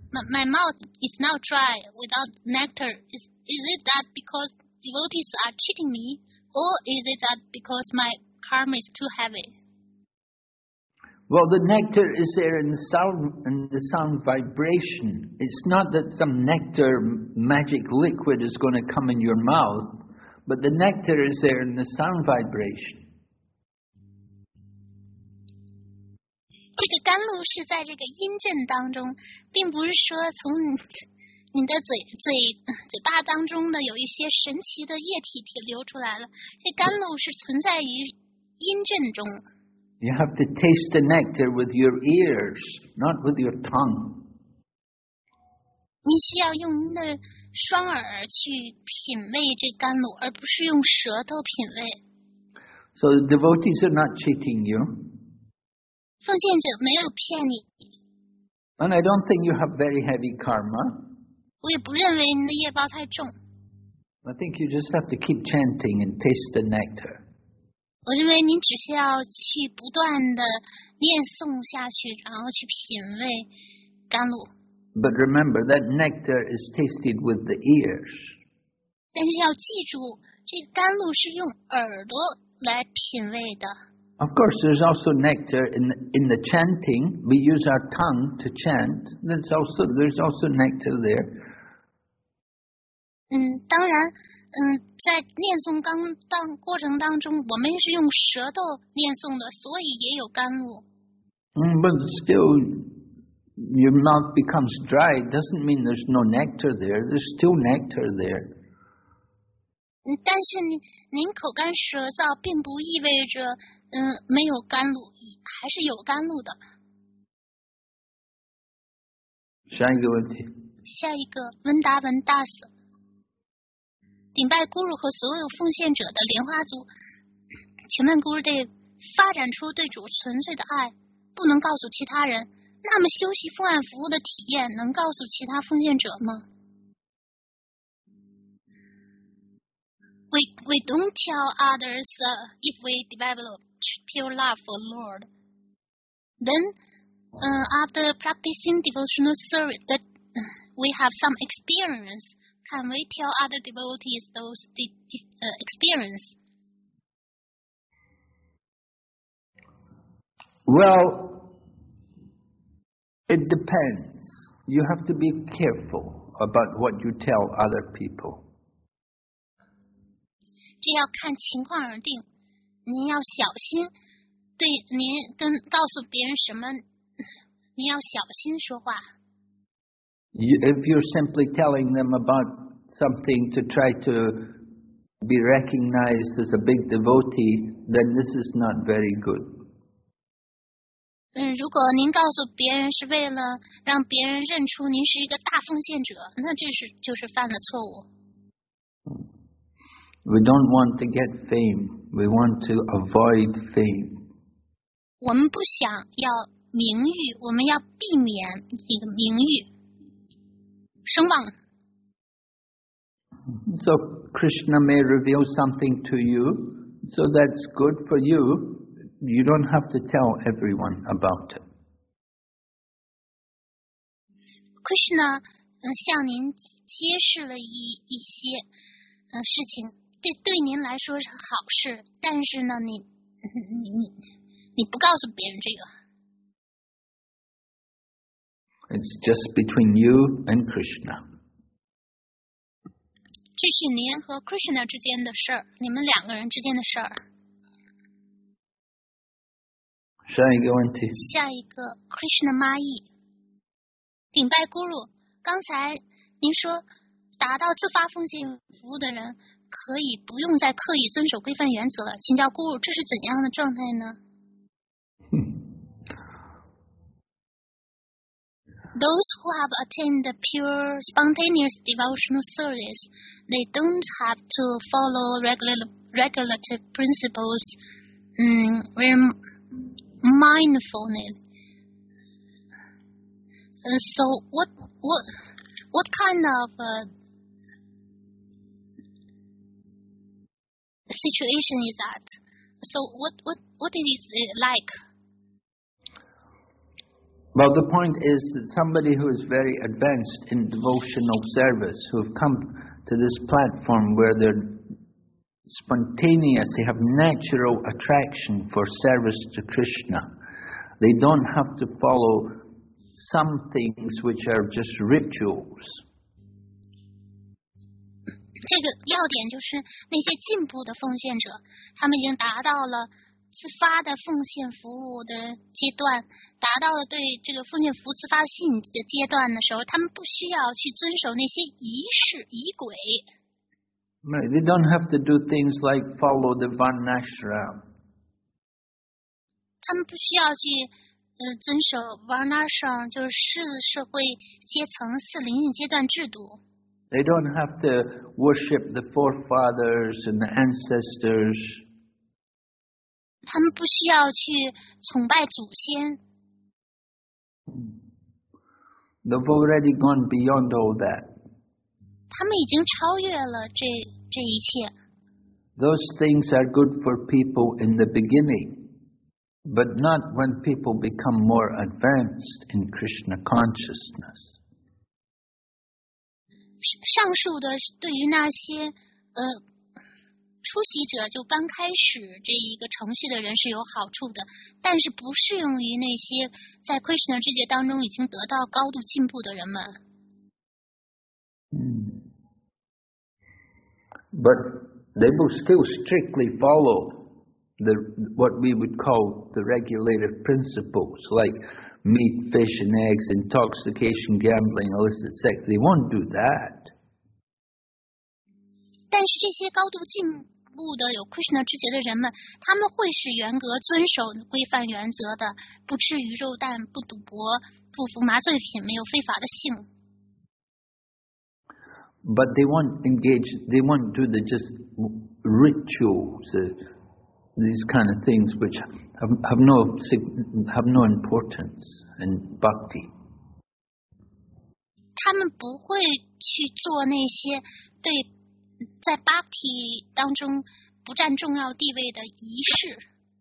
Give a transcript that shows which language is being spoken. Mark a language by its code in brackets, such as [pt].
[en] My mouth is now dry without nectar. Is it that because devotees are cheating me, or is it that because my karma is too heavy? Well, the nectar is there in the sound vibration. It's not that some nectar magic liquid is going to come in your mouth, but the nectar is there in the sound vibration. [zh] 这个甘露是在这个音阵当中，并不是说从你的嘴巴当中的有一些神奇的液体体流出来了，这甘露是存在于音阵中。 [en] You have to taste the nectar with your ears, not with your tongue. [zh] 你需要用您的双耳去品味这甘露，而不是用舌头品味。 [en] So the devotees are not cheating you. [zh] 奉献者没有骗你。 [en] And I don't think you have very heavy karma. [zh] 我也不认为你的业报太重。 [en] I think you just have to keep chanting and taste the nectar. [zh] 我认为您只需要去不断的念诵下去，然后去品味甘露。 [en] But remember that nectar is tasted with the ears. [zh] 但是要记住，这个甘露是用耳朵来品味的。 [en] Of course, there's also nectar in the chanting. We use our tongue to chant. There's also nectar there. [zh] 当然，在念诵过程当中，我们是用舌头念诵的，所以也有甘露。 [en] But still, your mouth becomes dry. Doesn't mean there's no nectar there. There's still nectar there. [zh] 但是您口干舌燥并不意味着没有甘露，还是有甘露的。下一个问题。下一个温达文大师，顶拜 Guru 和所有奉献者的莲花族，请问 Guru 得发展出对主纯粹的爱，不能告诉其他人，那么修习奉献服务的体验能告诉其他奉献者吗？ [en] we don't tell others if we develop pure love for the Lord. Then, after practicing devotional service, that we have some experience. Can we tell other devotees those experience? Well, it depends. You have to be careful about what you tell other people. [zh] 这要看情况而定。您要小心，对您跟告诉别人什么，您要小心说话。 [en] If you're simply telling them about something to try to be recognized as a big devotee, then this is not very good. [zh] 如果您告诉别人是为了让别人认出您是一个大奉献者，那这是就是犯了错误。 [en] We don't want to get fame. We want to avoid fame. [zh] 我们不想要名誉，我们要避免这个名誉、声望。 [en] So Krishna may reveal something to you, so that's good for you. You don't have to tell everyone about it. [zh] Krishna 向您揭示了一些事情，对您来说是好事，但是呢，你不告诉别人这个。 [en] It's just between you and Krishna. [zh] 这是您和 Krishna 之间的事儿，你们两个人之间的事儿。下一个问题。下一个 ，Krishna Mai， 顶拜 Guru， 刚才您说达到自发奉献服务的人。可以不用再刻意遵守规范原则了，请教Guru，这是怎样的状态呢？ [en] Those who have attained pure spontaneous devotional service, they don't have to follow regulative principles, mindfulness. So what kind of situation is that? So what is it like? Well, the point is that somebody who is very advanced in devotional service, who have come to this platform where they're spontaneous, they have natural attraction for service to Krishna. They don't have to follow some things which are just rituals. [zh] 这个要点就是那些进步的奉献者，他们已经达到了自发的奉献服务的阶段，达到了对这个奉献服务自发性的阶段的时候，他们不需要去遵守那些仪式仪轨。 [en] Right, they don't have to do things like follow the Varnashram. [zh] 他们不需要去遵守 Varnashram， 就是社会阶层四灵性阶段制度。 [en] They don't have to worship the forefathers and the ancestors. [zh] 他们不需要去崇拜祖先。 [en] They've already gone beyond all that. [zh] 他们已经超越了这一切。 [en] Those things are good for people in the beginning, but not when people become more advanced in Krishna consciousness. [zh] 上述的对于那些初习者就刚开始这一个程序的人是有好处的，但是不适用于那些在 Krishna 世界当中已经得到高度进步的人们。 [en] But they will still strictly follow the what we would call the regulative principles, like meat, fish and eggs, intoxication, gambling, illicit sex. They won't do that. [zh] 但是这些高度进步的有 Krishna 之节的人们，他们会是严格遵守规范原则的，不吃鱼肉蛋，不赌博，不服麻醉品，没有非法的性。 [en] But they won't engage. They won't do the just rituals, these kind of things which have no importance in bhakti. [zh] 他们不会去做那些对。在 Bhakti 当中不占重要地位的仪式。